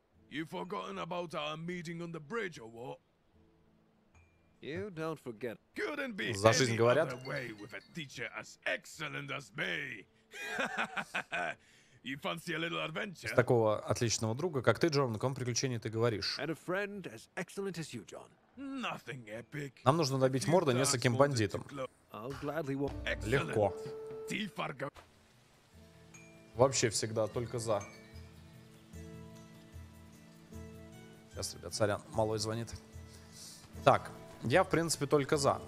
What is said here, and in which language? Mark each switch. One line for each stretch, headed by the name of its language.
English: You forgotten about our meeting on the bridge or what? You don't forget. Couldn't be any other way with a teacher as excellent as me. You fancy a little adventure?
Russian: С такого отличного друга, как ты, Джон, на каком приключении ты говоришь?
English: And a friend as excellent as you, John. Nothing epic.
Russian: Нам нужно добить морду нескольким бандитам. Легко. Вообще всегда только за. Сейчас, ребят, сорян, малой звонит. Так, я, в принципе, только за.